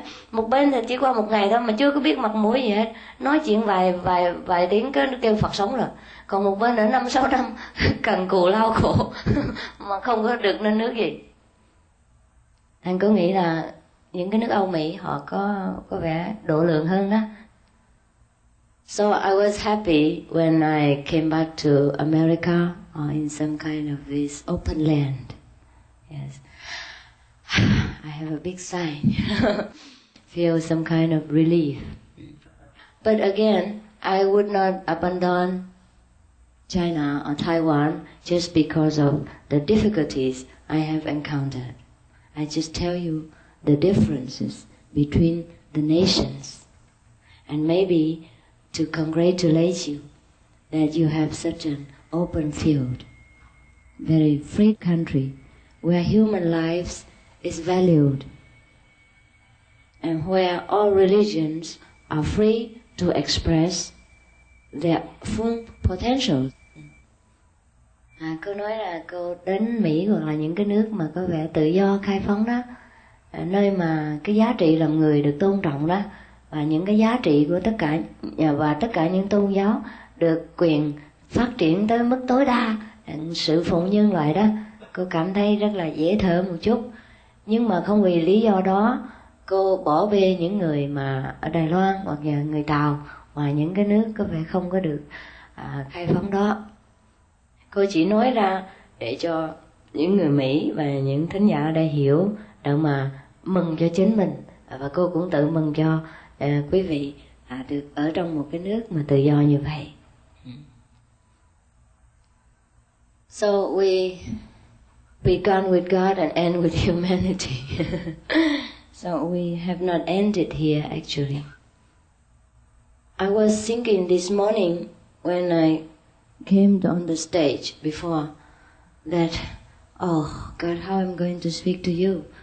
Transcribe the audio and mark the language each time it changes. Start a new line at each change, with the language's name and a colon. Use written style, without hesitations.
Vietnamese: Một bên thì chỉ qua một ngày thôi mà chưa có biết mặt mũi gì hết, nói chuyện vài tiếng cứ kêu Phật sống rồi, còn một bên ở 5-6 năm cần cù lao khổ mà không có được nên nước gì. Anh có nghĩ là những cái nước Âu Mỹ họ có vẻ độ lượng hơn đó.
English: So I was happy when I came back to America or in some kind of this open land. Yes. I have a big sign. Feel some kind of relief. But again, I would not abandon China or Taiwan just because of the difficulties I have encountered. I just tell you the differences between the nations. And maybe to congratulate you that you have such an open field, very free country where human lives is valued. and where all religions are free to express their full potential.
Vietnamese: À, cô nói là cô đến Mỹ hoặc là những cái nước mà có vẻ tự do, khai phóng đó, nơi mà cái giá trị làm người được tôn trọng đó, và những cái giá trị của tất cả và tất cả những tôn giáo được quyền phát triển tới mức tối đa, sự phụng nhân loại đó, cô cảm thấy rất là dễ thở một chút. Nhưng mà không vì lý do đó cô bỏ bê những người mà ở Đài Loan hoặc là người Tàu và những cái nước có vẻ không có được khai phóng đó. Cô chỉ nói ra để cho những người Mỹ và những thính giả ở đây hiểu, để mà mừng cho chính mình, và cô cũng tự mừng cho quý vị được ở trong một cái nước mà tự do như vậy.
English: So we begun with God and end with humanity. So we have not ended here actually. I was thinking this morning when I came on the stage before that, oh God, how am I going to speak to you?